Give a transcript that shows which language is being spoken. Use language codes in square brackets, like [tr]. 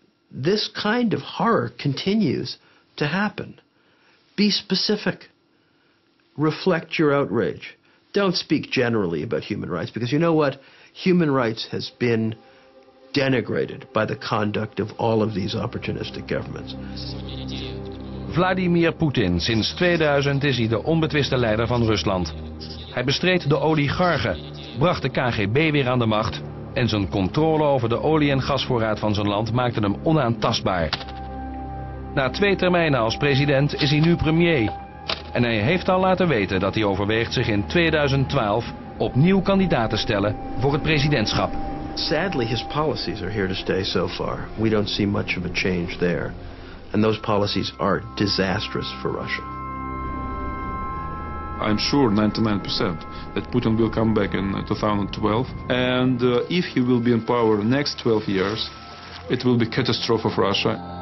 [en] This kind of horror continues to happen. Be specific. Reflect your outrage. Don't speak generally about human rights, because you know what? Human rights has been denigrated by the conduct of all of these opportunistic governments. [nl] Vladimir Poetin, sinds 2000 is hij de onbetwiste leider van Rusland. Hij bestreed de oligarchen, bracht de KGB weer aan de macht en zijn controle over de olie- en gasvoorraad van zijn land maakte hem onaantastbaar. Na 2 termijnen als president is hij nu premier en hij heeft al laten weten dat hij overweegt zich in 2012 opnieuw kandidaat te stellen voor het presidentschap. [en] Sadly, his policies are here to stay so far. We don't see much of a change there. And those policies are disastrous for Russia. I'm sure 99% that Putin will come back in 2012. And if he will be in power next 12 years, it will be a catastrophe for Russia.